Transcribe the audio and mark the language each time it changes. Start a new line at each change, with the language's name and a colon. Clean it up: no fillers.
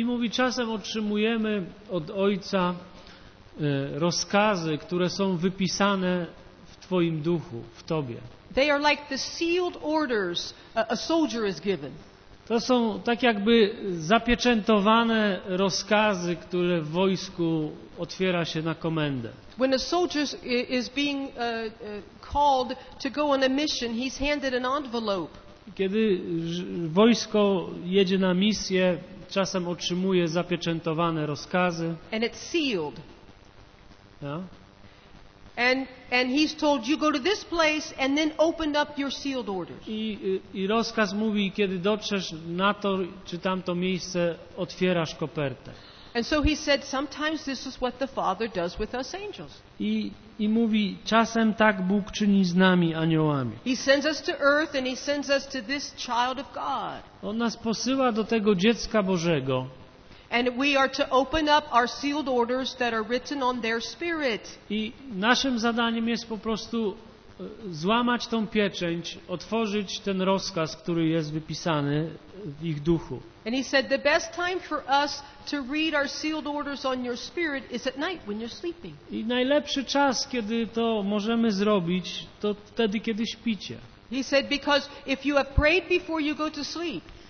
Polish: Czasem otrzymujemy od Ojca rozkazy, które są wypisane w Twoim duchu, w Tobie.
English: They are like the sealed orders a soldier is given.
Polish: To są tak jakby zapieczętowane rozkazy, które w wojsku otwiera się na komendę.
English: When a soldier is being called to go on a mission, he's handed an envelope.
Polish: Kiedy wojsko jedzie na misję, czasem otrzymuje zapieczętowane rozkazy.
English: And it's sealed.
Polish: Ja?
English: And he's told you go to this place and then open up your sealed orders.
Polish: I rozkaz mówi, kiedy dotrzesz na to czy tamto miejsce, otwierasz kopertę.
English: And so he said sometimes this is what the Father does with us angels.
Polish: I mówi, czasem tak Bóg czyni z nami aniołami.
English: He sends us to earth and he sends us to this child of God.
Polish: On nas posyła do tego dziecka Bożego.
English: And we are to open up our sealed orders that are written on their spirit.
Polish: I naszym zadaniem jest po prostu złamać tą pieczęć, otworzyć ten rozkaz, który jest wypisany w ich duchu.
English: And he said the best time for us to read our sealed orders on your spirit is at night when you're sleeping.
Polish: I najlepszy czas, kiedy to możemy zrobić, to wtedy, kiedy śpicie.
English: He said because if you have prayed before you go to sleep,